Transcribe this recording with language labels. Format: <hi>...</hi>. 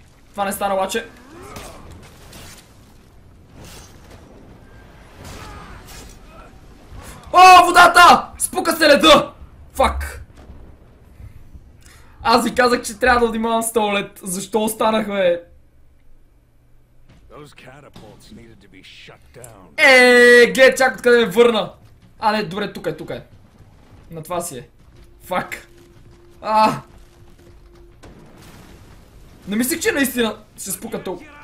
<bg>Това не стана, обаче. О, водата! Спука се леда! Фак! Аз ви казах, че трябва да внимавам с този лед. Защо останах, бе?</bg> <en>Those catapults needed to be shut down.</en> <bg>Глед, чак откъде ме върна. А, не, добре, тук е, тук е. На това си е. Фак. А! Не мислих, че наистина се спука тук.</bg>